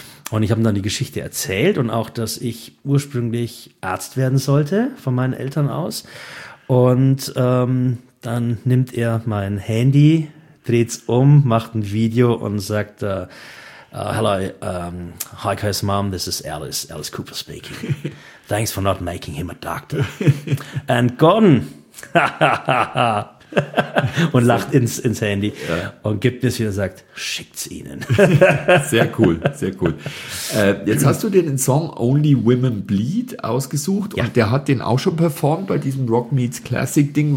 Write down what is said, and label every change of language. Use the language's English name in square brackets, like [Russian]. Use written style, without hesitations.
[German] Und ich habe dann die Geschichte erzählt und auch, dass ich ursprünglich Arzt werden sollte von meinen Eltern aus. Und dann nimmt er mein Handy, dreht's um, macht ein Video und sagt, [English] hello, hi Kai's mom, this is Alice Cooper speaking. Thanks for not making him a doctor. And gone. [German] Und lacht ins Handy und gibt es wieder und sagt, schickt's ihnen. Sehr cool, sehr cool. Jetzt hast du dir den Song Only Women Bleed ausgesucht und der hat den auch schon performt bei diesem Rock Meets Classic Ding.